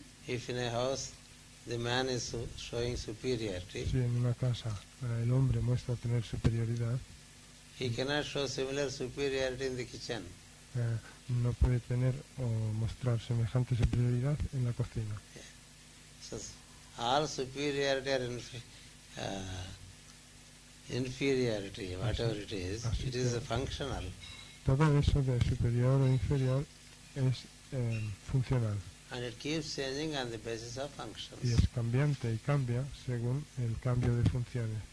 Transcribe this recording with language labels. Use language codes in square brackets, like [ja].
[en] If in a house the man is showing superiority, [es] si en una casa el hombre muestra tener superioridad, [en] he cannot show similar superiority in the kitchen. [es] No puede tener o mostrar semejante superioridad en la cocina. [en] Yeah. So, all superiority are inferiority, whatever it is, it is functional. [es] Todo eso de superior o inferior es funcional. [en] And it keeps changing on the basis of functions. [es] Y es cambiante y cambia según el cambio de funciones.